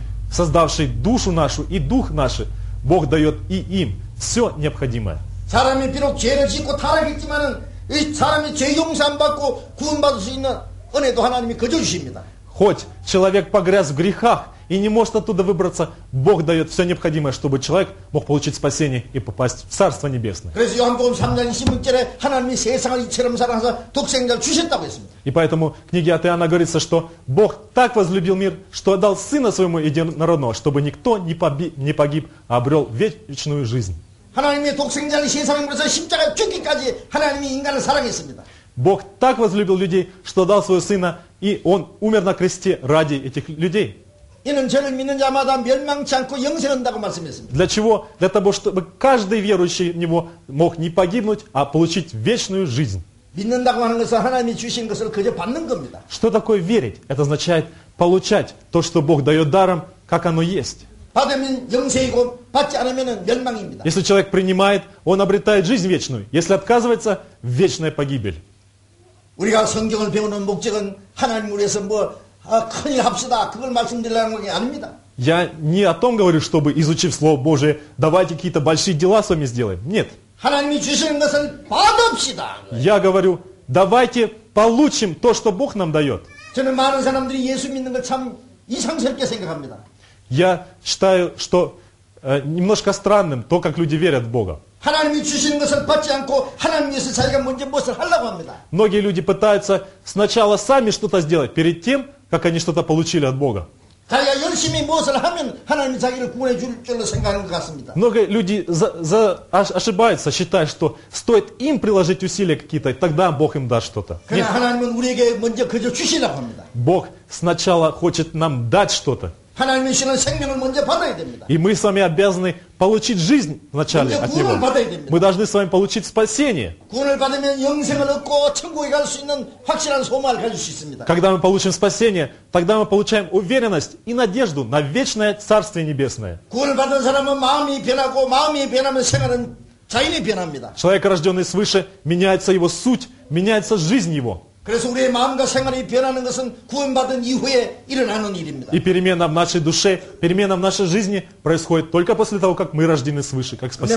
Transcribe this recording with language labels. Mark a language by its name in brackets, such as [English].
[Russian] Создавший душу нашу и дух наш, Бог дает и им все необходимое. [Korean] 사람이 비록 죄를 짓고 타락했지만은 이 사람이 죄 용서 받고 구원 받을 수 있는 은혜도 하나님이 거저 주십니다. [Russian] Хоть человек погряз в грехах и не может оттуда выбраться, Бог дает все необходимое, чтобы человек мог получить спасение и попасть в Царство Небесное. [Korean] 그래서 요한복음 3장 16절에 하나님이 세상을 이처럼 사랑하사 독생자 주셨다고 했습니다. [Russian] И поэтому в книге от Иоанна говорится, что Бог так возлюбил мир, что отдал Сына Своему Единородного, чтобы никто не погиб, а обрел вечную жизнь. [Korean] 하나님의 독생자를 세상에 보내서 십자가 죽기까지 하나님이 인간을 사랑했습니다. [Russian] Бог так возлюбил людей, что дал своего сына, и он умер на кресте ради этих людей. [Korean] 이는 저를 믿는 자마다 멸망치 않고 영생 얻는다고 말씀했습니다. [Russian] Для чего? Для того, чтобы каждый верующий в него мог не погибнуть, а получить вечную жизнь. [Korean] 믿는다고 하는 것은 하나님이 주신 것을 그저 받는 겁니다. [Russian] Что такое верить? Это означает получать то, что Бог дает даром, как оно есть. [Korean] 받으면 영생이고 받지 않으면은 멸망입니다. [Russian] Если человек принимает, он обретает жизнь вечную. Если отказывается, вечная погибель. [Korean] 우리가 성경을 배우는 목적은 하나님 위해서 뭐 큰일 합시다. 그걸 말씀드리려는 게 아닙니다. [Russian] Я не о том говорю, чтобы изучив слово Божие, давайте какие-то большие дела с вами сделаем. Нет. [Korean] 하나님이 주시는 것을 받읍시다. [Russian] Я говорю, давайте получим то, что Бог нам дает. [Korean] 저는 많은 사람들이 예수 믿는 걸 참 이상스럽게 생각합니다. [Russian] Я считаю, что немножко странным то, как люди верят в Бога. [Korean] 하나님이 주시는 것을 받지 않고 하나님 위해서 자기가 먼저 무엇을 하려고 합니다. [Russian] Многие люди пытаются сначала сами что-то сделать перед тем, как они что-то получили от Бога. [Korean] 자기가 열심히 무엇을 하면 하나님이 자기를 구원해 줄 줄로 생각하는 것 같습니다. [Russian] Многие люди ошибаются, считая, что стоит им приложить усилия какие-то, тогда Бог им даст что-то. [Korean] 그러나 [Russian] Нет. [Korean] 하나님은 우리에게 먼저 그저 주시려고 합니다. [Russian] Бог сначала хочет нам дать что-то. [Korean] 하나님이 주시는 생명을 먼저 받아야 됩니다. [Russian] И мы с вами обязаны получить жизнь вначале от Него. Мы должны с вами получить спасение. [Korean] 구원을 받으면 영생을 얻고 천국에 갈 수 있는 확실한 소망을 가질 수 있습니다. [Russian] Когда мы получим спасение, тогда мы получаем уверенность и надежду на вечное Царствие Небесное. [Korean] 구원을 받은 사람은 마음이 변하고 마음이 변하면 생활은 자연히 변합니다. [Russian] Человек, рожденный свыше, меняется его суть, меняется жизнь его. [Korean] 그래서 우리의 마음과 생활이 변하는 것은 구원받은 이후에 일어나는 일입니다. [Russian] И перемена в нашей душе, перемена в нашей жизни происходит только после того, как мы рождены свыше, как спасены.